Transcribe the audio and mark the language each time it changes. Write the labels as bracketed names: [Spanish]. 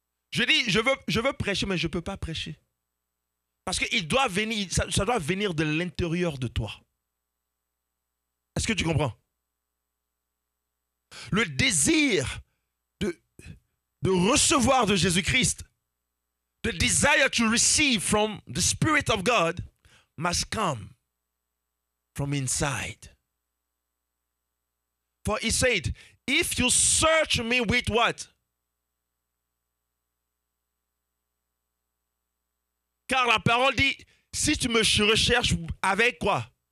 [French] Je dis, je veux prêcher, mais je ne peux pas prêcher. Parce qu'il doit venir, ça doit venir de l'intérieur de toi. Est-ce que tu comprends? Le désir de recevoir de Jésus-Christ, [English] the desire to receive from the Spirit of God, must come from inside. For he said, if you search me with what? [French] Car la parole dit, si tu me recherches avec quoi?